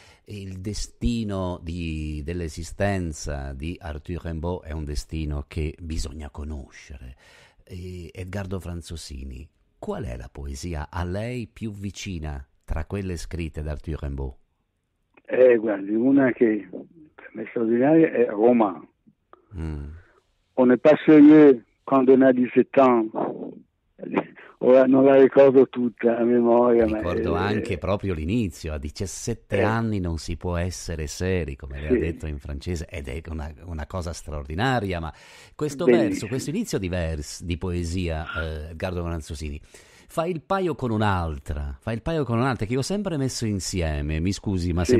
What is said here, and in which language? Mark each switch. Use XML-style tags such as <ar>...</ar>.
<it>Il destino dell'esistenza di Arthur Rimbaud è un destino che bisogna conoscere. E Edgardo Franzosini, qual è la poesia a lei più vicina tra quelle scritte da Arthur Rimbaud? Guardi, una che per me è straordinaria è Roman.</it> <fr>On est pas sérieux quand on a 17 ans.</fr> <it>Ora non la ricordo tutta a memoria, ma Ricordo anche proprio l'inizio, a 17 anni non si può essere seri, come le ha sì. detto in francese, ed è una cosa straordinaria, ma questo verso, Benissimo. questo inizio di verso di poesia, Edgardo Franzosini, fa il paio con un'altra, che io ho sempre messo insieme, mi scusi, ma</it>